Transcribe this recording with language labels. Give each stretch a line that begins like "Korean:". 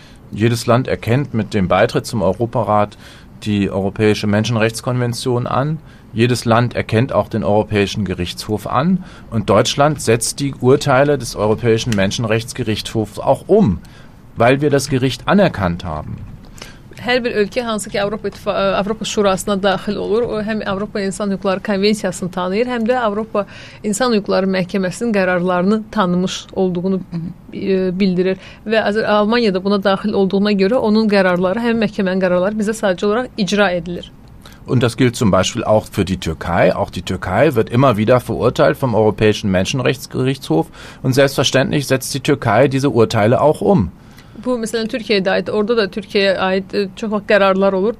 German: Jedes Land erkennt mit dem Beitritt zum Europarat die Europäische Menschenrechtskonvention an. Jedes Land erkennt auch den Europäischen Gerichtshof an. Und Deutschland setzt die Urteile des Europäischen Menschenrechtsgerichtshofs auch um, weil wir das Gericht anerkannt haben.
Azerbaijani: Her bir ülke hansı ki Avropa Şurasına daxil olur, o həm Avropa İnsan Hüquqları Konvensiyasını tanıyır, həm də Avropa İnsan Hüquqları Məhkəməsinin qərarlarını tanımış olduğunu bildirir. Və Almanya'da buna daxil olduğuna görə onun qərarları, həm məhkəmənin qərarları bizə sadəcə olaraq icra edilir.
German: Und das gilt zum Beispiel auch für die Türkei. Auch die Türkei wird immer wieder verurteilt vom Europäischen Menschenrechtsgerichtshof und selbstverständlich setzt die Türkei diese Urteile auch um.
Azerbaijani: Bu, məsələn, Türkiyəyə aid, orada da Türkiyəyə aid çox vaxt qərarlar olur.